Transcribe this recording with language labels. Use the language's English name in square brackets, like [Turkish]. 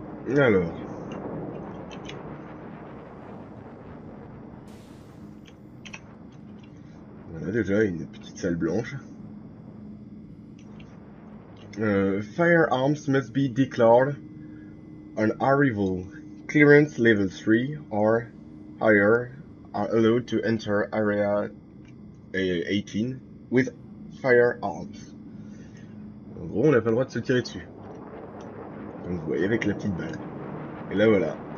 [French] Alors. Voilà déjà une petite salle blanche. [English] Firearms must be declared on arrival. Clearance level 3 or higher are allowed to enter area 18 with firearms. [French] En gros, on n'a pas le droit de se tirer dessus. Comme vous voyez avec la petite balle. Et là voilà.